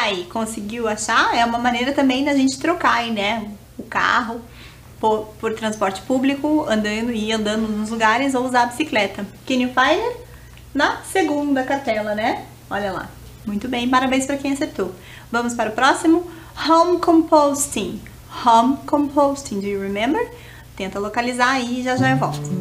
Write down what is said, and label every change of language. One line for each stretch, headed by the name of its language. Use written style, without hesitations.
Portuguese: Conseguiu achar? É uma maneira também da gente trocar aí, né? O carro por transporte público, andando nos lugares, ou usar a bicicleta.
English: Can you find it?
Portuguese: Na segunda cartela, né? Olha lá. Muito bem, parabéns para quem acertou. Vamos para o próximo.
English: Home composting. Home composting, do you remember?
Portuguese: Tenta localizar aí e já eu volto.